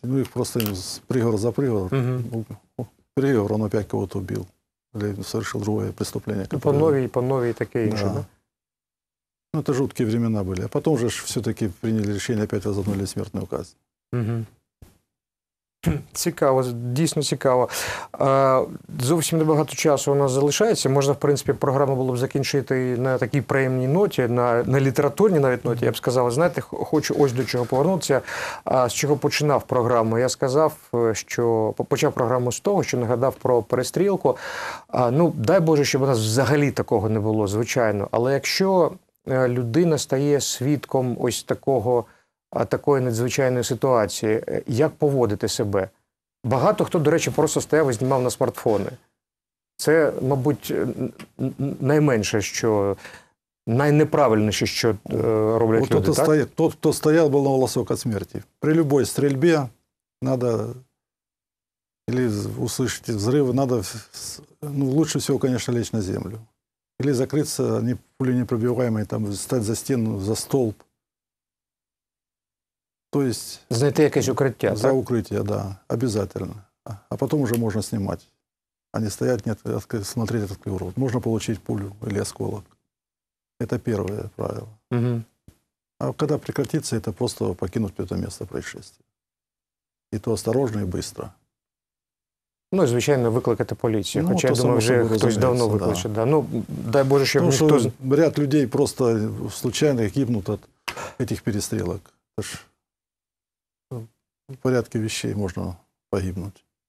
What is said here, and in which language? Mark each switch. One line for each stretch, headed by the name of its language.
Russian: Ну, их просто приговор за приговор. Приговор, он опять кого-то убил. Или совершил другое преступление. Которое... По новой такие еще, да? Ну, это жуткие времена были. А потом же все-таки приняли решение, опять возобновили смертную казнь.
Ukrainian: Цікаво, дійсно цікаво. Зовсім небагато часу у нас залишається. Можна, в принципі, програму було б закінчити на такій приємній ноті, на літературній навіть ноті. Я б сказав, знаєте, хочу ось до чого повернутися. З чого починав програму? Я сказав, що почав програму з того, що нагадав про перестрілку. Ну, дай Боже, щоб у нас взагалі такого не було, звичайно. Але якщо людина стає свідком ось такого... А такої надзвичайної ситуації, як поводити себе? Багато хто, до речі, просто стояв і знімав на смартфони. Це, мабуть, найменше, що найнеправильніше, що роблять люди, так? Тот, хто стояв, був на волосок від смерті.
Russian: При любой стрільбі треба, або услышати взрыв, треба, ну, лучше всего, конечно, лечь на землю. Или закрыться, не пулю непробиваемой, там, встать за стену, за столб.
Ukrainian: То есть знайти якесь укриття, за укриття,
Russian: да, обязательно. А потом уже можно снимать, а не стоять, нет, смотреть этот рот. Можно получить пулю или осколок. Это первое правило. Угу. А когда прекратится, это просто покинуть это место происшествия. И то осторожно и быстро.
Ukrainian: Ну, і, звичайно, викликати поліцію, ну, хоча, я думаю, вже хтось давно викличе. Да. Ну, дай Боже, щоб тому, ніхто... Що ряд людей
Russian: просто случайно гибнут от этих перестрілок. Порядки вещей можна погибнути.